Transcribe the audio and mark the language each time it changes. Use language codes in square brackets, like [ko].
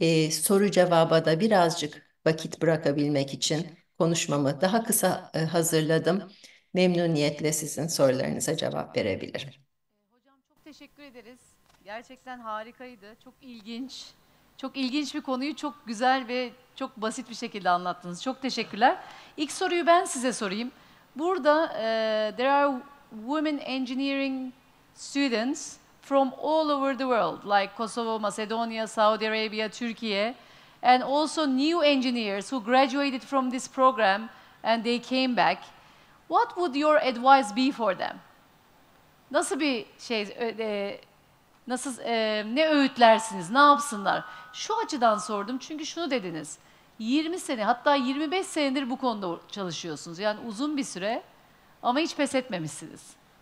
[tr] Soru cevaba da birazcık vakit bırakabilmek için konuşmamı daha kısa hazırladım. Memnuniyetle sizin sorularınıza cevap verebilirim. Hocam çok teşekkür ederiz. Gerçekten harikaydı. Çok ilginç. Çok ilginç bir konuyu çok güzel ve çok basit bir şekilde anlattınız. Çok teşekkürler. İlk soruyu ben size sorayım. [en] Burada there are women engineering students from all over the world, like Kosovo, Macedonia, Saudi Arabia, Türkiye, and also new engineers who graduated from this program and they came back. What would your advice be for them? [tr] Nasıl bir şey, nasıl, ne öğütlersiniz, ne yapsınlar? Şu açıdan sordum çünkü şunu dediniz. 20 sene, hatta 25 senedir bu konuda çalışıyorsunuz. Yani uzun bir süre ama hiç pes etmemişsiniz.